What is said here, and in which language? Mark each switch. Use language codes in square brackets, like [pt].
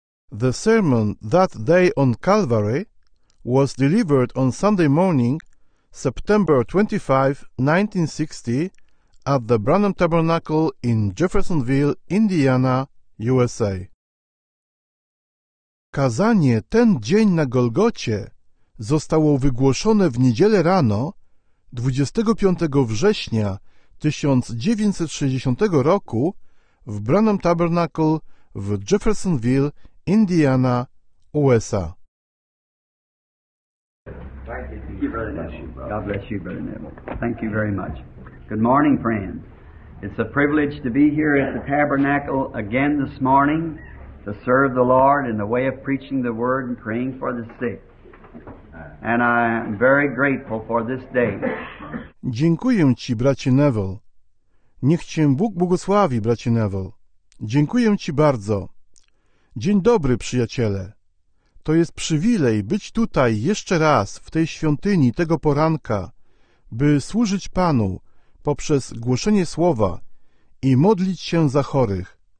[en] The sermon that day on Calvary was delivered on Sunday morning, September 25, 1960, at the Branham Tabernacle in Jeffersonville, Indiana, USA. [pl] Kazanie ten dzień na Golgocie zostało wygłoszone w niedzielę rano 25 września 1960 roku w Branham Tabernacle w Jeffersonville, Indiana, USA. [en] Thank you, brother. God bless you, brother Neville. Thank you very much. Good morning, friends. It's a privilege to be here at the Tabernacle again this morning to serve the Lord in the way of preaching the word and praying for the sick. And I am very grateful for this day. [pl] Dziękuję ci, bracie Neville. Niech cię Bóg błogosławi, bracie Neville. Dziękuję ci bardzo. Dzień dobry, przyjaciele. To jest przywilej być tutaj jeszcze raz w tej świątyni tego poranka, by służyć Panu poprzez głoszenie słowa i modlić się za chorych.